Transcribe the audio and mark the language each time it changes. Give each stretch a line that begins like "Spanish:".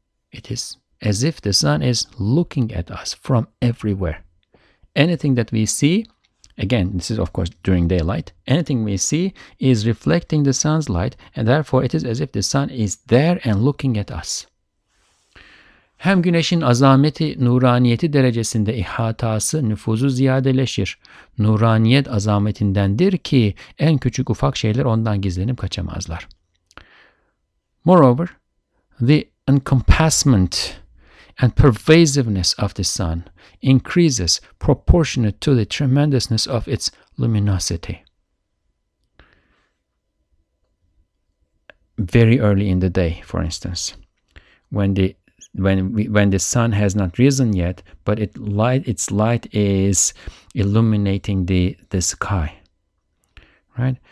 English: It is as if the sun is looking at us from everywhere. Anything that we see, again, this is, of course, during daylight. Anything we see is reflecting the sun's light, and therefore it is as if the sun is there and looking at us.
Turkish: Hem güneşin azameti, nuraniyeti derecesinde ihatası, nüfuzu ziyadeleşir. Nuraniyet azametindendir ki en küçük ufak şeyler ondan gizlenip kaçamazlar.
English: Moreover, the encompassment and pervasiveness of the sun increases proportionate to the tremendousness of its luminosity. Very early in the day, for instance, when the sun has not risen yet, but its light is illuminating the sky. Right?